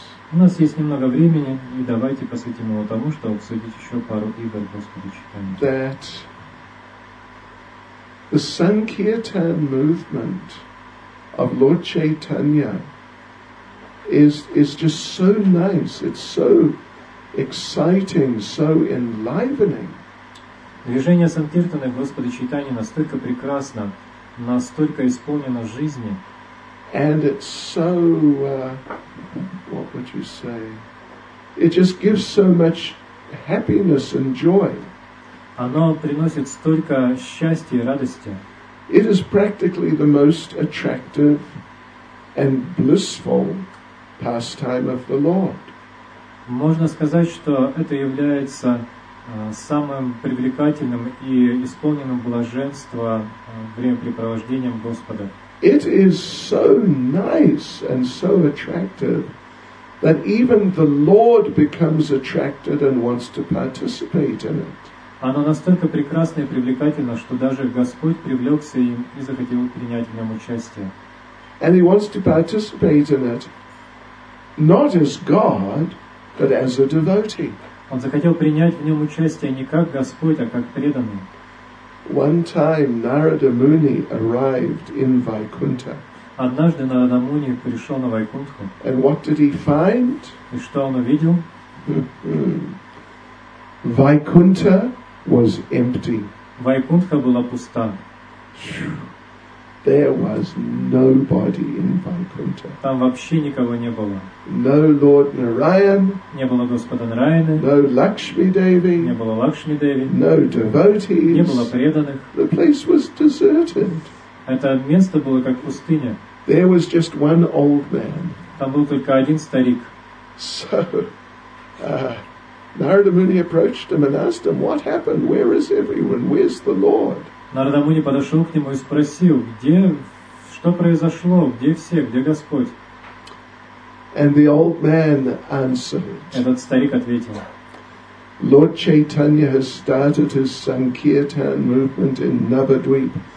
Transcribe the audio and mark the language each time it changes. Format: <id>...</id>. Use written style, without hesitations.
<ru>У нас есть немного времени, и давайте посвятим его тому, чтобы обсудить еще пару игр Господа Чайтаньи.</ru> <en>That the Sankirtan movement of Lord Chaitanya is just so nice. It's so exciting, so enlivening.</en> <ru>Движение Санкиртаны Господа Чайтаньи настолько прекрасно. Настолько исполнено жизни.</ru> <en>And it's so, what would you say? It just gives so much happiness and joy.</en> <ru>Оно приносит столько счастья и радости.</ru> <en>It is practically the most attractive and blissful pastime of the Lord.</en> <ru>Можно сказать, что это является самым привлекательным и исполненным блаженства времяпрепровождением Господа.</ru> <en>It is so nice and so attractive that even the Lord becomes attracted and wants to participate in it.</en> <ru>Оно настолько прекрасно и привлекательно, что даже Господь привлекся им и захотел принять в нем участие.</ru> <en>And he wants to participate in it not as God, but as a devotee.</en> <ru>Он захотел принять в нем участие не как Господь, а как преданный.</ru> <en>One time Narada Muni arrived in Vaikuntha.</en> <ru>Однажды Нарада Муни пришел на Вайкунтху.</ru> <en>And what did he find?</en> <ru>И что он увидел?</ru> <en>Vaikuntha was empty.</en> <ru>Вайкунтха была пуста.</ru> <en>There was nobody in Vaikuntha.</en> <ru>Там вообще никого не было.</ru> <en>No Lord Narayan.</en> <ru>Не было Господа Нараяна.</ru> <en>No Lakshmi Devi.</en> <ru>Не было Лакшми Деви.</ru> <en>No devotees.</en> <ru>Не было преданных.</ru> <en>The place was deserted.</en> <ru>Это место было как пустыня.</ru> <en>There was just one old man.</en> <ru>Там был только один старик.</ru> <en>So, Narada Muni approached him and asked him, "What happened? Where is everyone? Where's the Lord?"</en> <ru>Нарада Муни подошел к нему и спросил, где, что произошло, где все, где Господь?</ru> <en>And the old man answered.</en> <ru>Этот старик ответил.</ru> <en>Lord Chaitanya has started his Sankirtan movement in Navadvip.</en>